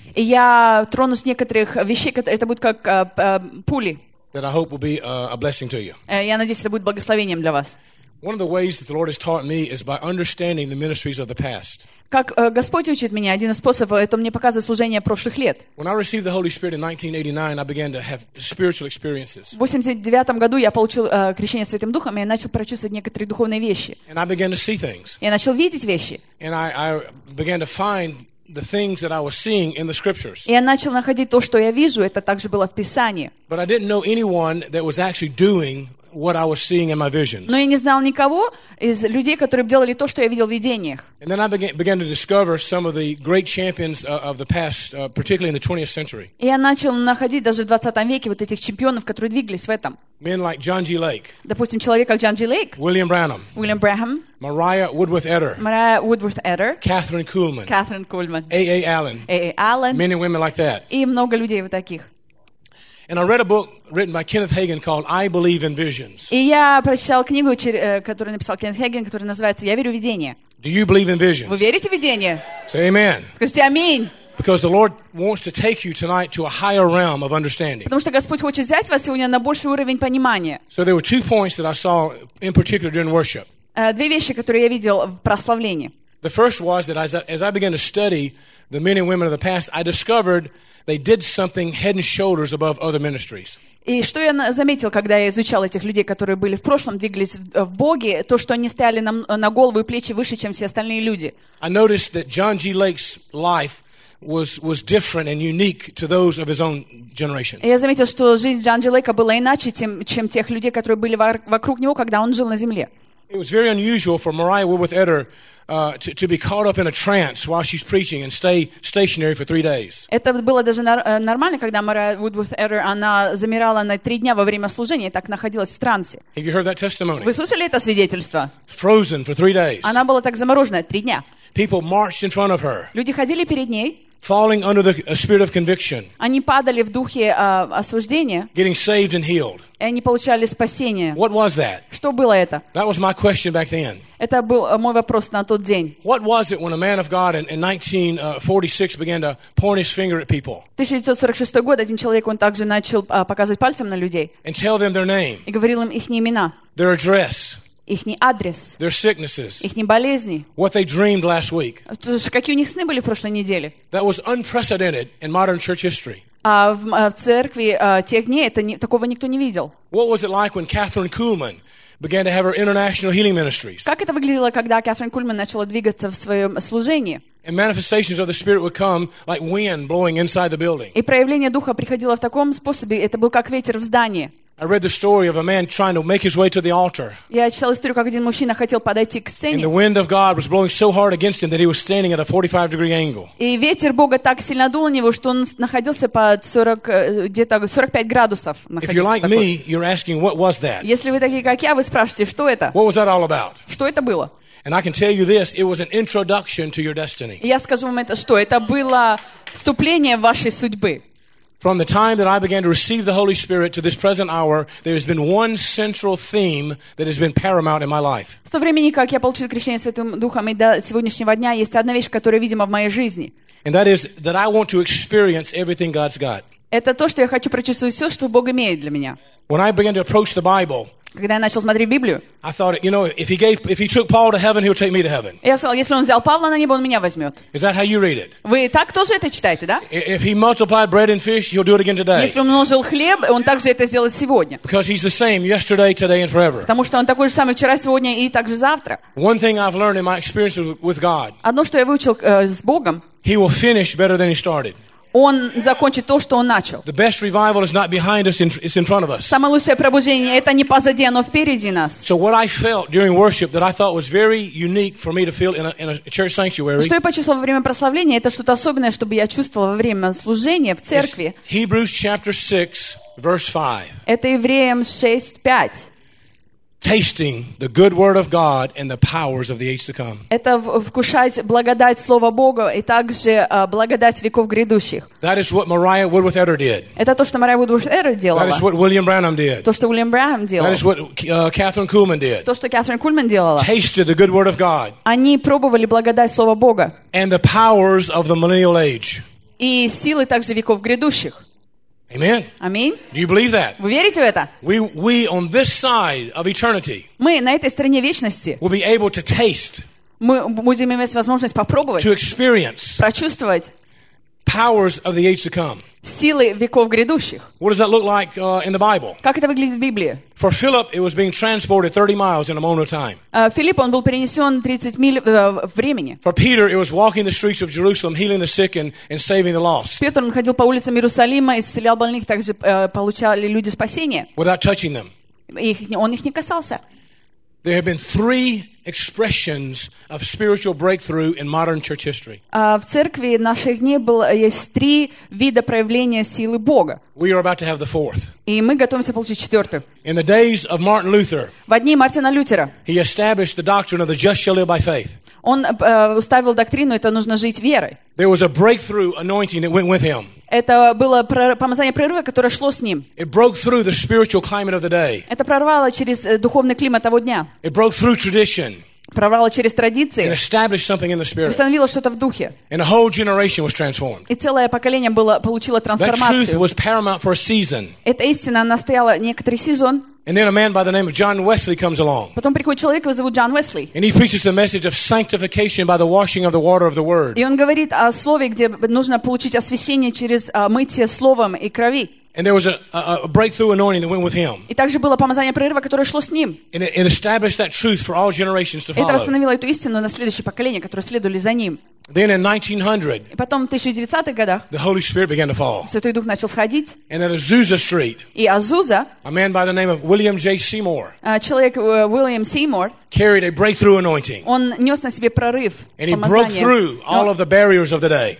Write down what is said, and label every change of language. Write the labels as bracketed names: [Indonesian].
[Russian] И я тронусь некоторых вещей, которые это будут как пули. [English] That I hope will be a blessing to you. [Russian] Я надеюсь, это будет благословением для вас. [English] One of the ways that the Lord has taught me is by understanding the ministries of the past. [Russian] Как Господь учит меня, один из способов это мне показывает служение прошлых лет. [English] When I received the Holy Spirit in 1989, I began to have spiritual experiences. [Russian] В 89 году я получил крещение Святым Духом, и я начал прочувствовать некоторые духовные вещи. [English] And I began to see things. [Russian] Я начал видеть вещи. [English] And I began to find the things that I was seeing in the scriptures. [Russian] Я начал находить то, что я вижу, это также было в Писании. [English] But I didn't know anyone that was actually doing what I was seeing in my visions. [Russian] Но я не знал никого из людей, которые делали то, что я видел в видениях. [English] And then I began to discover some of the great champions of the past, particularly in the 20th century. [Russian] Я начал находить даже в 20 веке вот этих чемпионов, которые двигались в этом. [English] Men like John G. Lake. [Russian] Допустим, человек как John G. Lake. [English] William Branham. [Russian] William Branham. [English] Mariah Woodworth Eder. [Russian] Mariah Woodworth Eder. [English] Catherine Kuhlman. [Russian] Catherine Kuhlman. [English] A.A. Allen. [Russian] A.A. Allen. [English] Many women like that. [Russian] И много людей вот таких. [English] And I read a book written by Kenneth Hagin called I Believe in Visions. [Russian] И я прочитал книгу, которую написал Кеннет Хейген, которая называется Я верю в видения. [English] Do you believe in visions? [Russian] Вы верите в видения? [English] Say amen. [Russian] Скажите аминь. [English] Because the Lord wants to take you tonight to a higher realm of understanding. [Russian] Потому что Господь хочет взять вас сегодня на больший уровень понимания. [English] So there were two points that I saw in particular during worship. [Russian] Две вещи, которые я видел в прославлении. [English] The first was that as I began to study the men and women of the past, I discovered they did something head and shoulders above other ministries. [Russian] И что я заметил, когда я изучал этих людей, которые были в прошлом, двигались в Боге, то, что они стояли на голову и плечи выше, чем все остальные люди. [English] I noticed that John G. Lake's life was different and unique to those of his own generation. [Russian] Я заметил, что жизнь Джон Джи Лейка была иначе, чем тех людей, которые были вокруг него, когда он жил на земле. [English] It was very unusual for Mariah Woolworth Eder to be caught up in a trance while she's preaching and stay stationary for 3 days. [Russian] Это было даже нормально, когда Mariah Woolworth Eder она замирала на 3 дня во время служения и так находилась в трансе. [English] Have you heard that testimony? [Russian] Вы слышали это свидетельство? [English] Frozen for 3 days. [Russian] Она была так заморожена 3 дня. [English] People marched in front of her. [Russian] Люди ходили перед ней. [English] Falling under the spirit of conviction. [Russian] Они падали в духе осуждения. [English] Getting saved and healed. [Russian] И они получали спасение. [English] What was that? [Russian] Что было это? [English] That was my question back then. [Russian] Это был мой вопрос на тот день. [English] What was it when a man of God in 1946 began to point his finger at people? [Russian] 1946 год один человек он также начал показывать пальцем на людей. [English] And tell them their name. [Russian] И говорил им их имена. [English] Their address. [Russian] Ихний адрес. [English] Their sicknesses. [Russian] Ихние болезни. [English] What they dreamed last week. [Russian] Какие у них сны были в прошлой неделе. [English] That was unprecedented in modern church history. [Russian] В церкви тех дней такого никто не видел. [English] What was it like when Catherine Kuhlman began to have her international healing ministries? [Russian] Как это выглядело, когда Catherine Kuhlman начала двигаться в своем служении? [English] And manifestations of the Spirit would come like wind blowing inside the building. [Russian] И проявление духа приходило в таком способе, это был как ветер в здании. [English] I read the story of a man trying to make his way to the altar. [Russian] Я читал историю, как один мужчина хотел подойти к сцене. [English] And the wind of God was blowing so hard against him that he was standing at a 45-degree angle. [Russian] И ветер Бога так сильно дул на него, что он находился под 40 где-то 45 градусов. [English] If you're like me, you're asking, what was that? [Russian] Если вы такие как я, вы спрашиваете, что это? [English] What was that all about? [Russian] Что это было? [English] And I can tell you this: it was an introduction to your destiny. [Russian] Я скажу вам это, что это было вступление в вашей судьбы. [English] From the time that I began to receive the Holy Spirit to this present hour, there has been one central theme that has been paramount in my life. [Russian] С того времени, как я получил крещение Святым Духом, и до сегодняшнего дня есть одна вещь, которая видима в моей жизни. [English] And that is that I want to experience everything God's got. [Russian] Это то, что я хочу прочувствовать все, что Бог имеет для меня. [English] When I began to approach the Bible, [Russian] когда я начал смотреть Библию, [English] I thought, you know, if he took Paul to heaven, he'll take me to heaven. [Russian] Я сказал, если он взял Павла на небо, он меня возьмет. [English] Is that how you read it? [Russian] Вы так тоже это читаете, да? [English] If he multiplied bread and fish, he'll do it again today. [Russian] Если он умножил хлеб, он также это сделает сегодня. [English] Because he's the same yesterday, today, and forever. [Russian] Потому что он такой же самый вчера, сегодня и также завтра. [English] One thing I've learned in my experience with God. [Russian] Одно, что я выучил с Богом. [English] He will finish better than he started. [Russian] Он закончит то, что он начал. [English] The best revival is not behind us, it's in front of us. [Russian] Самое лучшее пробуждение это не позади, оно впереди нас. [English] So what I felt during worship that I thought was very unique for me to feel in a church sanctuary. [Russian] Что я почувствовал во время прославления, это что-то особенное, чтобы я чувствовал во время служения в церкви. [English] Hebrews chapter 6 verse 5. [Russian] Это Евреям 6:5. [English] Tasting the good word of God and the powers of the age to come. [Russian] Это вкушать благодать слова Бога и также благодать веков грядущих. [English] That is what Mariah Woodworth Eder did. [Russian] Это то, что Мария Вудвуд Эдер делала. [English] That is what William Branham did. [Russian] То, что Уильям Бранхам делал. [English] That is what Catherine Kuhlman did. [Russian] То, что Кэтрин Кульман делала. [English] Tasted the good word of God. [Russian] Они пробовали благодать слова Бога. [English] And the powers of the millennial age. [Russian] И силы также веков грядущих. [English] Amen. [Russian] Аминь. [English] Do you believe that? [Russian] Вы верите в это? [English] We on this side of eternity. [Russian] Мы на этой стороне вечности. [English] Will be able to taste. [Russian] Мы будем иметь возможность попробовать. [English] To experience. [Russian] Прочувствовать. [English] Powers of the age to come. [Russian] Силы веков грядущих. [English] What does that look like in the Bible? [Russian] Как это выглядит в Библии? [English] For Philip, it was being transported 30 miles in a moment of time. [Russian] Филипп он был перенесен 30 миль времени. [English] For Peter, it was walking the streets of Jerusalem, healing the sick and saving the lost. [Russian] Петр он ходил по улицам Иерусалима, исцелял больных, также получали люди спасение. [English] Without touching them. [Russian] Он их не касался. [English] There have been three expressions of spiritual breakthrough in modern church history. [Russian] В церкви наших дней было есть три вида проявления силы Бога. [English] We are about to have the fourth. [Russian] И мы готовимся получить четвертый. [English] In the days of Martin Luther. [Russian] В дни Мартина Лютера. [English] He established the doctrine of the just shall live by faith. [Russian] Он уставил доктрину, это нужно жить верой. [English] There was a breakthrough anointing that went with him. [Russian] Это было помазание прорыва, которое шло с ним. [English] It broke through the spiritual climate of the day. [Russian] Это прорвало через духовный климат того дня. [English] It broke through tradition. [Russian] Прорвало через традиции. [English] It established something in the spirit. [Russian] Установило что-то в духе. [English] And a whole generation was transformed. [Russian] И целое поколение получило трансформацию. [English] That truth was paramount for a season. [Russian] Эта истина настояла некоторый сезон. [English] And then a man by the name of John Wesley comes along. [Russian] Потом приходит человек, его зовут Джон Уэсли. [English] And he preaches the message of sanctification by the washing of the water of the word. [Russian] И он говорит о слове, где нужно получить освящение через мытье словом и крови. [English] And there was a breakthrough anointing that went with him. [Russian] И также было помазание прорыва, которое шло с ним. [English] And it established that truth for all generations to follow. [Russian] Это восстановило эту истину на следующие поколения, которые следовали за ним. [English] Then in 1900, [Russian] и потом в 1900-х годах, [English] the Holy Spirit began to fall. [Russian] Святой Дух начал сходить. [English] And at Azusa Street, [Russian] и Азуза, [English] a man by the name of William J. Seymour, [Russian] человек William Seymour, [English] carried a breakthrough anointing. [Russian] Он нес на себе прорыв, [English] and he broke through all of the barriers of the day.